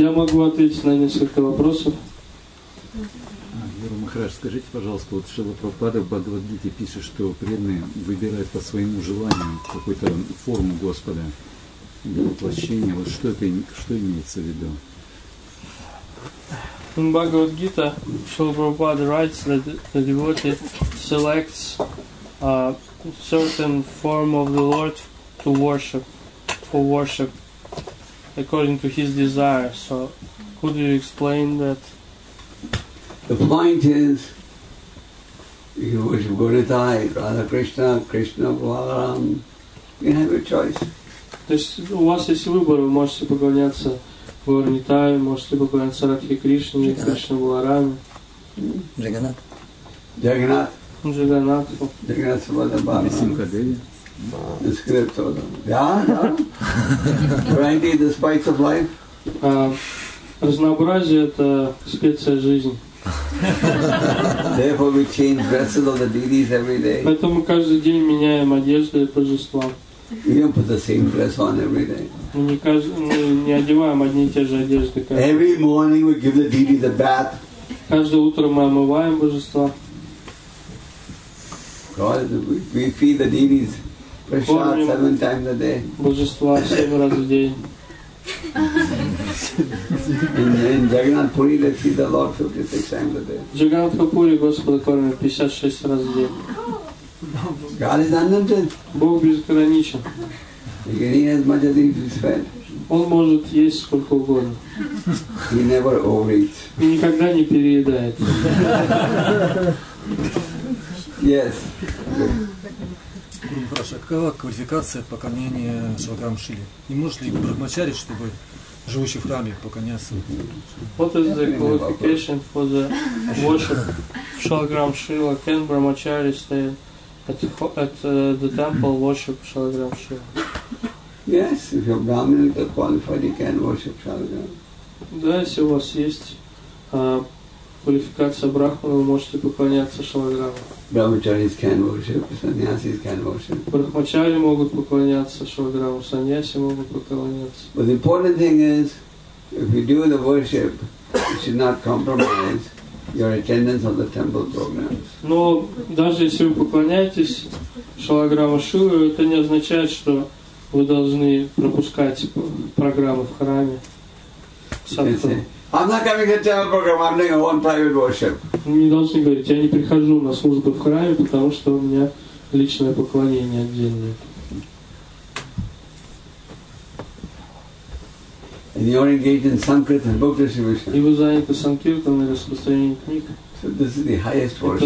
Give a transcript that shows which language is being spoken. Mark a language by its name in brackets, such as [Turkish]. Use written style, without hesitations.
[Russian] Я могу ответить на несколько вопросов. Махарадж, скажите, пожалуйста, вот Шрила Прабхупада в Бхагавад-гите пишет, что преданные выбирают по своему желанию какую-то форму Господа для воплощения. Вот что это, что имеется в виду? [English] In Bhagavad-gita, Шрила Прабхупада writes that the devotee selects a certain form of the Lord to worship, for worship, according to his desire. So, could you explain that? The point is, you worship Gurudai, Radha Krishna, Krishna, Balaram, you have a choice. [Russian] То есть у вас есть выбор, вы можете поклоняться Гурнитай, можете поклоняться Радхе Кришне, Кришна Баларам. Джаганат. Джаганат. Джаганат. Джаганат Свадабхана. Висимха Деви. [English] The script of them. Yeah, yeah. Variety, the spice of life. [Russian] Разнообразие – это специя жизни. [English] Therefore, we change dresses of the deities every day. [Russian] Поэтому каждый день меняем одежды божества. [English] We don't put the same dress on every day. [Russian] Мы не одеваем одни и те же одежды. [English] Every morning we give the deities a bath. [Russian] Каждое утро мы омываем божества. [English] God, we feed the deities prasad 7 times a day. [Russian] Божества 7 раз в день. [English] In Jagannath Puri, they feed the Lord 56 times a day. [Russian] Jagannath Puri, Господа кормят 56 раз в день. [English] God is unlimited. [Russian] Бог безграничен. [English] He can eat as much as he is fed. [Russian] Он может есть сколько угодно. [English] He never overeats. [Russian] И никогда не переедает. [English] Yes. [Russian] Хорошо. Какова квалификация поклонения Шилограм Шили? И может ли брахмачари, чтобы живущий в храме поклоняться? [English] What is the qualification for the worship of Шилограм Шили? Can brahmachari stay at the temple worship Шилограм Шили? Yes, if you're Brahmin, you're qualified, you can worship Шилограм. [Russian] Да, если у вас есть квалификация брахмана, вы можете поклоняться Шилограму. [English] Brahmacharis can worship, sannyasis can worship. [Russian] Брахмачари могут поклоняться Шилограму, саньяси могут поклоняться. [English] But the important thing is, if you do the worship, you should not compromise your attendance on the temple programs. [Russian] Но даже если вы поклоняетесь Шилограму Шилу, это не означает, что вы должны пропускать программы в храме. [English] I'm not coming to the temple program, I'm doing a one private worship. [Russian] Не должны говорить, я не прихожу на службу в храме, потому что у меня личное поклонение отдельное. [English] And you're engaged in sankirtan book distribution. [Russian] И вы заняты санкиртаном и распространением книг. [English] So this is the highest worship.